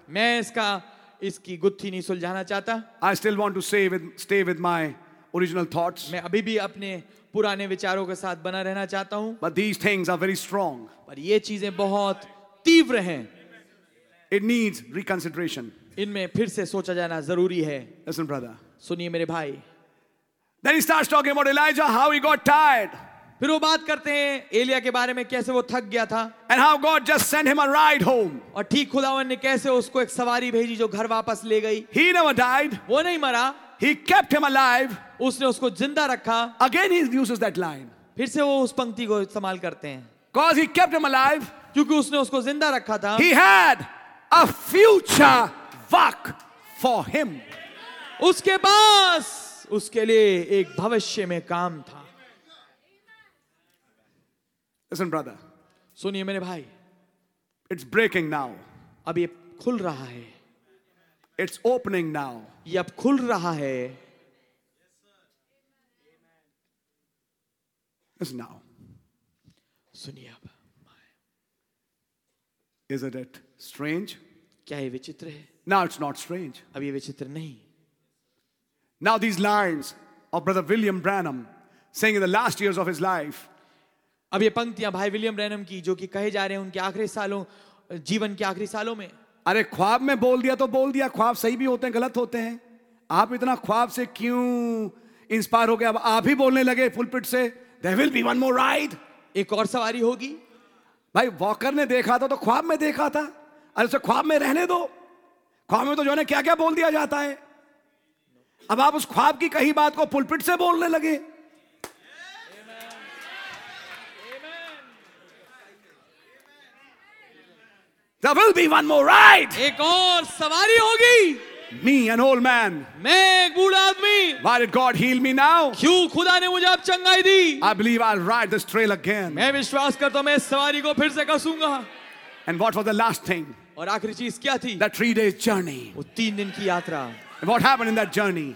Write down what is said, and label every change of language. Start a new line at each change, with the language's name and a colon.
Hindi: मैं इसका इसकी गुत्थी नहीं सुलझाना चाहता.
English: I still want to stay with my original thoughts.
Hindi: मैं अभी भी अपने पुराने विचारों के साथ बना रहना चाहता हूँ.
English: But these things are very strong.
Hindi: पर ये चीजें बहुत तीव्र हैं.
English: It needs reconsideration.
Hindi: इनमें फिर से सोचा जाना जरूरी है.
English: Listen, brother.
Hindi: सुनिए मेरे भाई.
English: Then he starts talking about Elijah, how he got tired.
Hindi: फिर वो बात करते हैं एलिया के बारे में, कैसे वो थक गया था.
English: And how God just sent him a ride home.
Hindi: और ठीक खुदावन ने कैसे उसको एक सवारी भेजी जो घर वापस ले गई.
English: He never died.
Hindi: वो नहीं मरा.
English: He kept him alive.
Hindi: उसने उसको जिंदा रखा.
English: Again he uses that line.
Hindi: फिर से वो उस पंक्ति को इस्तेमाल करते हैं.
English: Cause he kept him alive.
Hindi: क्योंकि उसने उसको जिंदा रखा था.
English: He had a future work for him.
Hindi: उसके पास उसके लिए एक भविष्य में काम था.
English: Listen, brother.
Hindi: सुनिए मेरे भाई.
English: It's breaking now.
Hindi: अब ये खुल रहा है.
English: It's opening now.
Hindi: ये अब खुल रहा है.
English: Listen now.
Hindi: सुनिए अब.
English: Isn't it strange?
Hindi: क्या ये विचित्र है?
English: Now it's not strange.
Hindi: अब ये विचित्र नहीं.
English: Now these lines of Brother William Branham saying in the last years of his life.
Hindi: अब ये पंक्तियां भाई विलियम ब्रैनम की जो कि कहे जा रहे हैं उनके आखिरी सालों जीवन के आखिरी सालों में. अरे ख्वाब में बोल दिया तो बोल दिया, ख्वाब सही भी होते हैं गलत होते हैं. आप इतना ख्वाब से क्यों इंस्पायर हो गए, अब आप ही बोलने लगे पुलपिट से
English: there will be one more ride,
Hindi: एक और सवारी होगी. भाई वॉकर ने देखा था तो ख्वाब में देखा था, अरे उसे ख्वाब में रहने दो. ख्वाब में तो जो है क्या क्या बोल दिया जाता है, अब आप उस ख्वाब की कही बात को पुलपिट से बोलने लगे.
English: There will be one more ride.
Hindi: एक और सवारी होगी.
English: Me, an old man.
Hindi: मैं एक बूढ़ा आदमी.
English: Why did God heal me now?
Hindi: क्यों खुदा ने मुझे अब चंगाई दी?
English: I believe I'll ride this trail again.
Hindi: मैं विश्वास करता हूँ मैं इस सवारी को फिर से कसूंगा.
English: And what was the last thing?
Hindi: और आखिरी चीज क्या थी?
English: The 3 days journey.
Hindi: वो 3 दिन की यात्रा.
English: What happened in that journey?